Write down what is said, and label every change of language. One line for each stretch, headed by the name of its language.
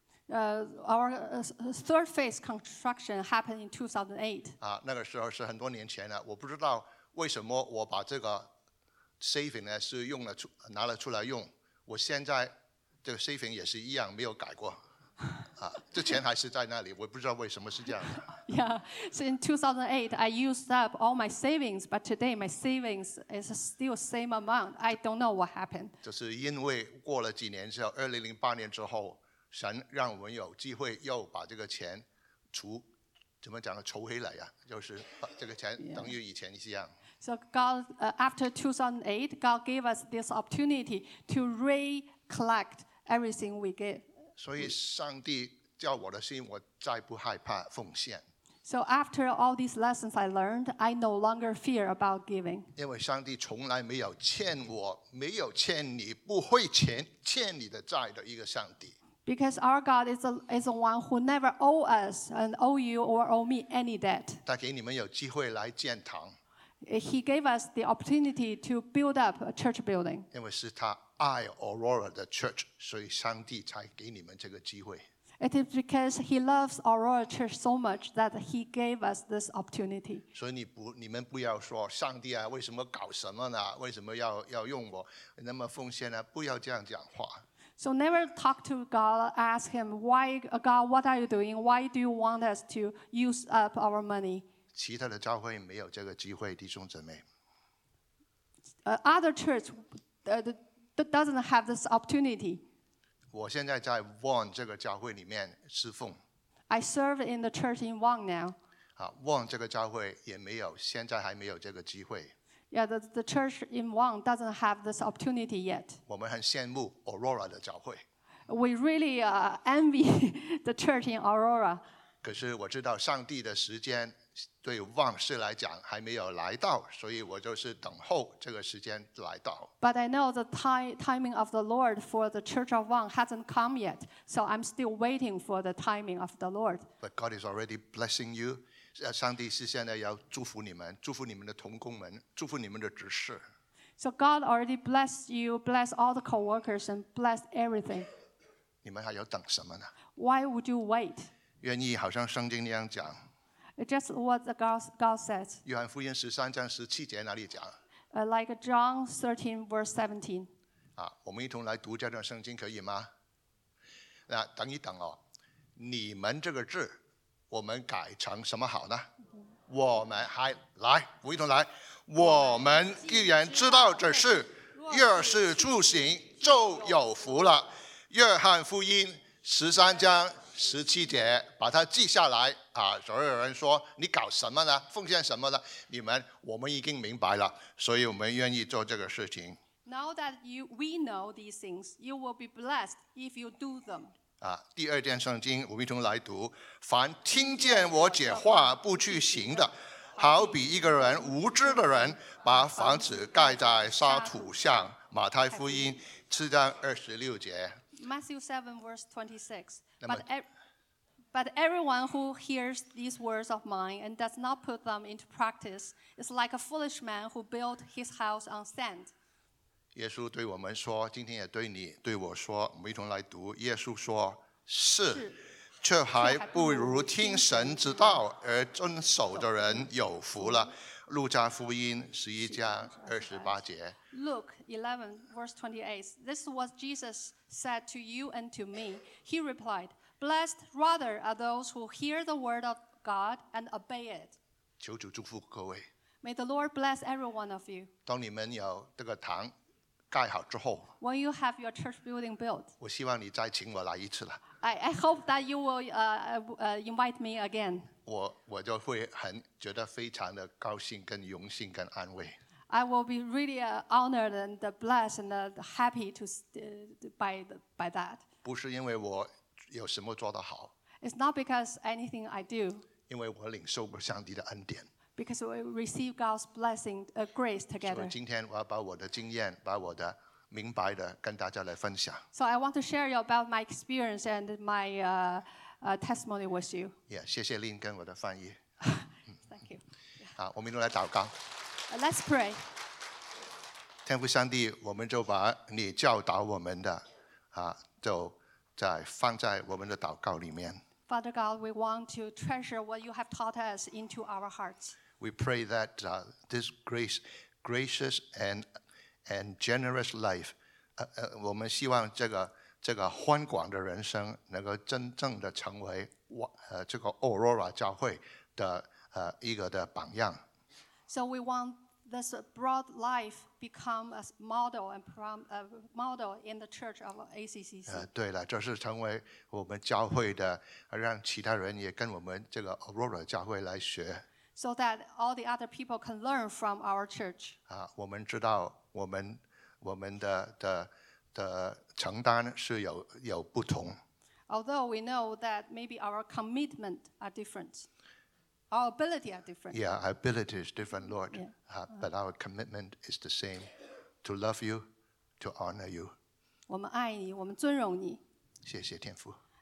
English: Our third phase construction happened in 2008.
Chinese: 那个时候是很多年前了，我不知道为什么我把这个 saving 呢是用了出拿了出来用，我现在这个 saving 也是一样没有改过。这钱还是在那里，我不知道为什么是这样的。
English: Yeah, so in 2008, I used up all my savings, but today my savings is still the same amount. I don't know what happened.
Chinese: 就是因为过了几年之后，2008年之后，神让我们有机会又把这个钱除，怎么讲呢？筹回来呀，就是把这个钱等于以前一样。
English: Yeah. So God, after 2008, God gave us this opportunity to recollect everything we give.
Chinese: 所以上帝叫我的心，我再不害怕奉献。
English: So after all these lessons I learned, I no longer fear about giving.
Chinese: 因为上帝从来没有欠我，没有欠你，不会欠你的债的一个上帝。
English: Because our God is the one who never owe us and owe you or owe me any debt.
Chinese: 他给你们有机会来建堂。
English: He gave us the opportunity to build up a church building.
Chinese: 因为是他爱 Aurora 的 church， 所以上帝才给你们这个机会。
English: It is because he loves Aurora church so much that he gave us this opportunity.
Chinese: 所以你们不要说上帝啊，为什么搞什么呢？为什么要用我那么奉献呢？不要这样讲话。
English: So never talk to God, ask him why, God, what are you doing? Why do you want us to use up our money?
Chinese: 其他的教会没有这个机会，弟兄姊妹。
English: Other church, That doesn't have this opportunity.
Chinese: 我现在在 Wong 这个教会里面侍奉。
English: I serve in the church in Wong now.
Chinese: Wong 这个教会也没有，现在还没有这个机会。
English: Yeah, the church in Wong doesn't have this opportunity yet.
Chinese: 我们很羡慕 Aurora 的教会。
English: We really envy the church in Aurora.
Chinese: 可是我知道上帝的时间对旺氏来讲还没有来到，所以我就是等候这个时间来到。
English: But I know the timing of the Lord for the Church of Wong hasn't come yet, so I'm still waiting for the timing of the Lord. But God is already blessing you.
Chinese: 上帝是现在要祝福你们，祝福你们的同工们，祝福你们的执事。
English: So God already blessed you, bless all the co-workers, and bless everything.
Chinese: 你们还要等什么呢
English: ？Why would you wait?
Chinese: 愿意好像圣经那样讲。
English: Just what the God says.
Chinese: 约翰福音十三章十七节哪里讲
English: ？Like John 13 verse 17.
Chinese: 啊，我们一同来读这段圣经可以吗？那等一等哦，你们这个字，我们改成什么好呢？我们还来，我一同来。我们既然知道这事，若是住行，就有福了。约翰福音十三章。十七节，把它记下来啊！所以有人说你搞什么呢？奉献什么呢？你们，我们已经明白了，所以我们愿意做这个事情。
English: Now that we know these things, you will be blessed if you do them.
Chinese: 啊，第二段圣经，我们一同来读：凡听见我解话不去行的，好比一个人无知的人，把房子盖在沙土上。马太福音七章二十六节。
English: Matthew 7 verse 26. But everyone who hears these words of mine and does not put them into practice is like a foolish man who built his house on sand.
Chinese: 耶稣对我们说，今天也对你对我说，我们一同来读。耶稣说，是，却还不如听神之道而遵守的人有福了。路加福音十一章二十八节。
English: Luke 11 verse 28. This was Jesus said to you and to me. He replied, "Blessed rather are those who hear the word of God and obey it."
Chinese: 求主祝福各位。
English: May the Lord bless every one of you.
Chinese: 当你们有这个堂盖好之后
English: ，When you have your church building built,
Chinese: 我希望你再请我来一次了。
English: I hope that you will invite me again.
Chinese: 我就会很觉得非常的高兴、跟荣幸、跟安慰。
English: I will be really honored and blessed and happy to by that.
Chinese: 不是因为我有什么做得好。
English: It's not because anything I do.
Chinese: 因为我领受过上帝的恩典。
English: Because we receive God's blessing, grace together.
Chinese: 所以今天我要把我的经验，把我的明白的跟大家来分享。
English: So I want to share you about my experience and my testimony with you.
Chinese: Yeah, 谢谢林跟我的翻译。
English: Thank you.
Chinese: 好，我们都来祷告。
English: Let's pray.
Chinese: 天父上帝，我们就把你教导我们的，就在放在我们的祷告里面。
English: Father God, we want to treasure what you have taught us into our hearts. We pray that this gracious and and generous life.
Chinese: 我们希望这个宽广的人生能够真正的成为这个 Aurora 教会的一个的榜样。
English: So we want this broad life become a model and a model in the church of ACCC.
Chinese: 对了，这是成为我们教会的，让其他人也跟我们这个 Aurora 教会来学。
English: So that all the other people can learn from our church. 我们知道我们的承担是有不同。 Although we know that maybe our commitment are different, our ability are different. Yeah, our ability is different, Lord. Yeah. But our commitment is the same, to love you, to honor you.
Chinese: 我们爱你，我们尊荣你。谢谢天父。